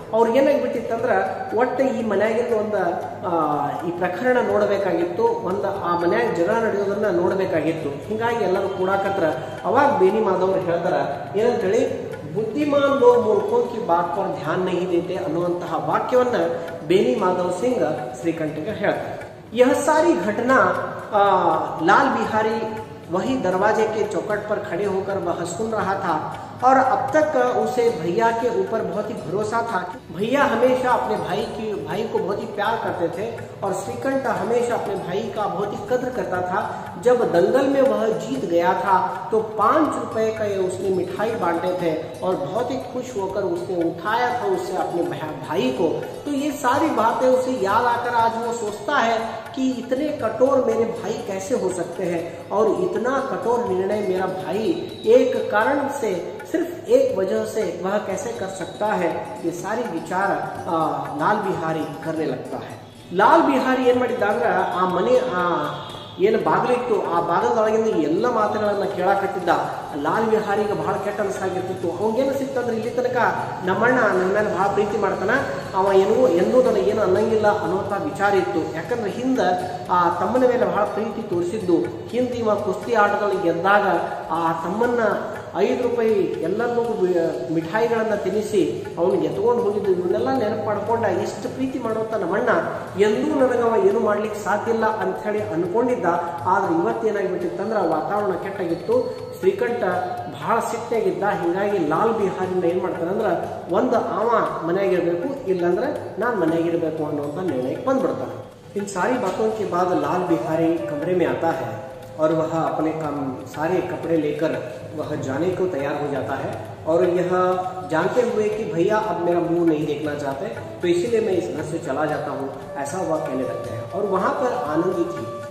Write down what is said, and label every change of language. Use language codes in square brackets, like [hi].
[kn] ಅವ್ರ ಏನಾಗ್ಬಿಟ್ಟಿತ್ತು ಅಂದ್ರ ಒಟ್ಟ ಈ ಮನೆಯಾಗಿದ್ದು ಒಂದ ಈ ಪ್ರಕರಣ ನೋಡಬೇಕಾಗಿತ್ತು, ಒಂದ ಆ ಮನೆಯಾಗ ಜನ ನಡೆಯೋದನ್ನ ನೋಡಬೇಕಾಗಿತ್ತು, ಹಿಂಗಾಗಿ ಎಲ್ಲರೂ ಕೂಡಾಕತ್ರ. ಅವಾಗ ಬೇನಿ ಮಾಧವ್ರು ಹೇಳ್ತಾರ ಏನಂತೇಳಿ, [hi] ಬುದ್ಧಿಮಾನ್ ಲೋ ಮೂರ್ಖೋ ಕಿ ಬಾತ್ ಪರ್ ಧ್ಯಾನ್ ನಹೀ ದೇತೆ [kn] ಅನ್ನುವಂತಹ ವಾಕ್ಯವನ್ನ ಬೇನಿ ಮಾಧವ್ ಸಿಂಗ್ ಶ್ರೀಕಂಠಗೆ ಹೇಳ್ತಾರೆ. [hi] यह सारी घटना लाल बिहारी वही दरवाजे के चौकट पर खड़े होकर वह सुन रहा था और अब तक उसे भैया के ऊपर बहुत ही भरोसा था, भैया हमेशा अपने भाई को बहुत ही प्यार करते थे और श्रीकंठ हमेशा अपने भाई का बहुत ही कद्र करता था। जब दंगल में वह जीत गया था तो 5 रुपए का उसने मिठाई बांटे थे और बहुत ही खुश होकर उसने उठाया था उससे अपने भाई को, तो ये सारी बातें उसे याद आकर आज वो सोचता है कि इतने कठोर मेरे भाई कैसे हो सकते हैं और इतना कठोर निर्णय मेरा भाई एक कारण से सिर्फ एक वजह से वह कैसे कर सकता है, ये सारी विचार लाल बिहारी करने लगता है। [kn] लाल बिहारी ऐन ಮಾಡಿದಾಗ ಆ ಮನೆ ಏನು ಬಾಗಲಿತ್ತು ಆ ಬಾಗಲದೊಳಗಿಂದ ಎಲ್ಲ ಮಾತುಗಳನ್ನು ಕೇಳಾಕತ್ತಿದ್ದ ಲಾಲ್ ಬಿಹಾರಿಗೆ ಬಹಳ ಕೆಟ್ಟ ಅನಿಸಾಗಿರ್ತಿತ್ತು. ಅವಂಗೇನಿಸಿತ್ತಂದ್ರೆ ಇಲ್ಲಿ ತನಕ ನಮ್ಮಣ್ಣ ನನ್ನ ಮೇಲೆ ಬಹಳ ಪ್ರೀತಿ ಮಾಡ್ತಾನ, ಅವ ಏನೂ ಎಂದೂ ನನಗೆ ಏನು ಅನ್ನಂಗಿಲ್ಲ ಅನ್ನುವಂಥ ವಿಚಾರ ಇತ್ತು. ಯಾಕಂದ್ರೆ ಹಿಂದೆ ಆ ತಮ್ಮನ ಮೇಲೆ ಬಹಳ ಪ್ರೀತಿ ತೋರಿಸಿದ್ದು, ಹಿಂದೆ ಇವ ಕುಸ್ತಿ ಆಟದೊಳಗೆ ಗೆದ್ದಾಗ ಆ ತಮ್ಮನ್ನ 5 ರೂಪಾಯಿ ಎಲ್ಲರಿಗೂ ಮಿಠಾಯಿಗಳನ್ನು ತಿನ್ನಿಸಿ ಅವನಿಗೆ ಎತ್ಕೊಂಡು ಹೋಗಿದ್ದು ಇವನ್ನೆಲ್ಲ ನೆನಪು ಮಾಡಿಕೊಂಡ ಎಷ್ಟು ಪ್ರೀತಿ ಮಾಡುವಂಥ ನಮ್ಮಣ್ಣ ಎಂದೂ ನನಗೆ ಅವ ಏನು ಮಾಡಲಿಕ್ಕೆ ಸಾಧ್ಯಲ್ಲ ಅಂಥೇಳಿ ಅಂದ್ಕೊಂಡಿದ್ದ. ಆದರೆ ಇವತ್ತೇನಾಗಿಬಿಟ್ಟಿತ್ತಂದ್ರೆ ವಾತಾವರಣ ಕೆಟ್ಟಾಗಿತ್ತು, ಶ್ರೀಕಂಠ ಬಹಳ ಸಿಟ್ಟಾಗಿದ್ದ. ಹೀಗಾಗಿ ಲಾಲ್ ಬಿಹಾರಿಂದ ಏನು ಮಾಡ್ತಾನಂದ್ರೆ ಒಂದು ಅವ ಮನೆಯಾಗಿರಬೇಕು, ಇಲ್ಲಾಂದ್ರೆ ನಾನು ಮನೆಯಾಗಿರಬೇಕು ಅನ್ನುವಂಥ ನಿರ್ಣಯಕ್ಕೆ ಬಂದ್ಬಿಡ್ತಾನೆ. [hi] ಇನ್ ಸಾರಿ ಬಾತೋಕ್ಕೆ ಬಾದ ಲಾಲ್ ಬಿಹಾರಿ ಕಮರೆ ಮೇ ಆತಾ ಹೇ और वह अपने काम सारे कपड़े लेकर वह जाने को तैयार हो जाता है और यह जानते हुए कि भैया अब मेरा मुंह नहीं देखना चाहते तो इसीलिए मैं इस घर से चला जाता हूँ, ऐसा वह कहने लगता है। और वहाँ पर आनंदी थी,